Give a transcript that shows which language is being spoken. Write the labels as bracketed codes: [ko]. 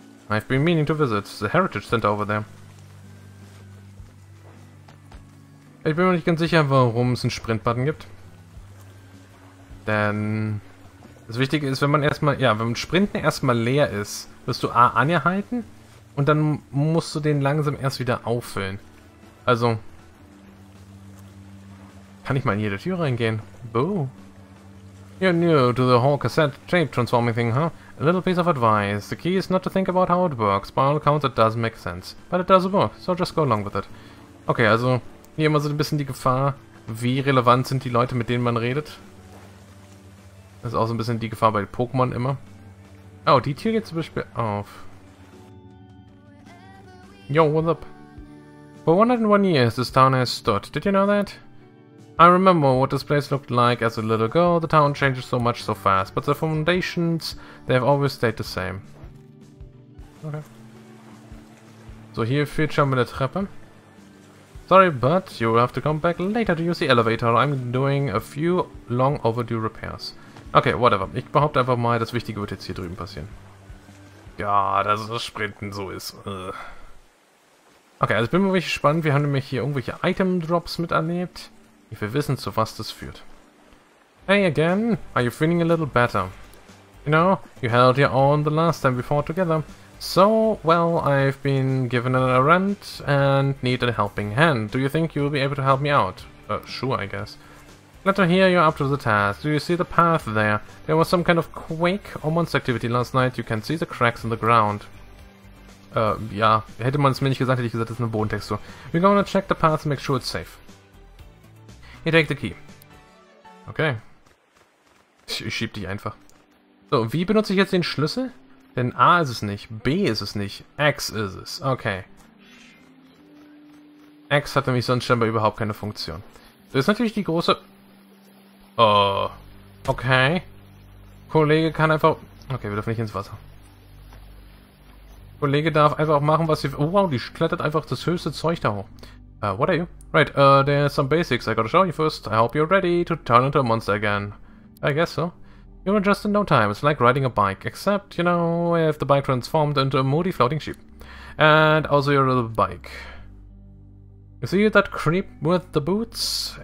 [en] I've been meaning to visit the heritage center over there. [de] Ich bin mir nicht ganz sicher, warum es einen Sprint-Button gibt. Denn das Wichtige ist, wenn Sprinten erstmal leer ist, wirst du A angehalten und dann musst du den langsam erst wieder auffüllen. Also, kann ich mal in jede Tür reingehen? Boo. [en] You're new to the whole cassette tape transforming thing, huh? A little piece of advice. The key is not to think about how it works. By all accounts, it does make sense. But it does work, so just go along with it. [de] Okay, also hier immer so ein bisschen die Gefahr, wie relevant sind die Leute, mit denen man redet. Das ist auch so ein bisschen die Gefahr bei Pokémon immer. Oh, die Tür geht zum Beispiel auf. [en] Yo, what's up? For 101 years, this town has stood. Did you know that? I remember what this place looked like as a little girl. The town changes so much so fast, but the foundations, they have always stayed the same. Okay. [de] So, hier führt schon mal eine Treppe. [en] Sorry, but you will have to come back later to use the elevator. I'm doing a few long overdue repairs. Okay, whatever. [de] Ich behaupte einfach mal, das Wichtige wird jetzt hier drüben passieren. Ja, dass das Sprinten so ist. Okay, also ich bin wirklich gespannt. Wir haben nämlich hier irgendwelche Item-Drops miterlebt. Ich will wissen, zu was das führt. [en] Hey again, are you feeling a little better? You know, you held your own the last time we fought together. So, well, I've been given a rent and need a helping hand. Do you think you'll be able to help me out? Sure, I guess. Glad to hear you're up to the task. Do you see the path there? There was some kind of quake or monster activity last night. You can see the cracks in the ground. [de] Ja, hätte man es mir nicht gesagt, hätte ich gesagt, das ist eine Bodentextur. [en] We're gonna check the path and make sure it's safe. You take the key. Okay. [de] Ich schieb dich einfach. So, wie benutze ich jetzt den Schlüssel? Denn A ist es nicht, B ist es nicht, X ist es. Okay. X hat nämlich sonst scheinbar überhaupt keine Funktion. Das ist natürlich die große... Okay. Kollege kann einfach... Okay, wir dürfen nicht ins Wasser. Kollege darf einfach auch machen, was sie... Oh wow, die klettert einfach das höchste Zeug da hoch. [en] What are you? Right, there's some basics I gotta show you first. I hope you're ready to turn into a monster again. I guess so. You're just in no time. It's like riding a bike. Except, you know, if the bike transformed into a moody floating sheep. And also your little bike. You see that creep with the boots?